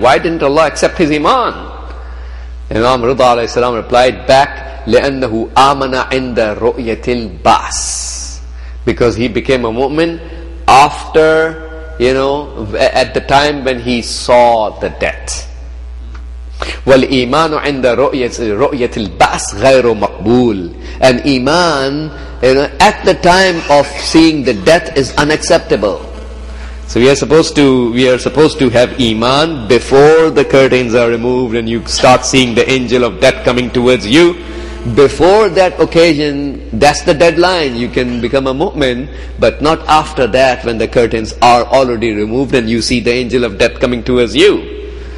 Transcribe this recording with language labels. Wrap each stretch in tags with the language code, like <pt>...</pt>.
<en>Why didn't Allah accept his iman? Imam Rida alayhi salam replied back,</en> <ar>لأنه آمن عند رؤية البعث.</ar> <en>Because he became a mu'min after, at the time when he saw the death.</en> <ar>والإيمان عند رؤية البعث غير مقبول.</ar> <en>And iman, at the time of seeing the death is unacceptable. So we are supposed to have iman before the curtains are removed and you start seeing the angel of death coming towards you. before that occasion, that's the deadline. You can become a mu'min, but not after that when the curtains are already removed and you see the angel of death coming towards you.</en>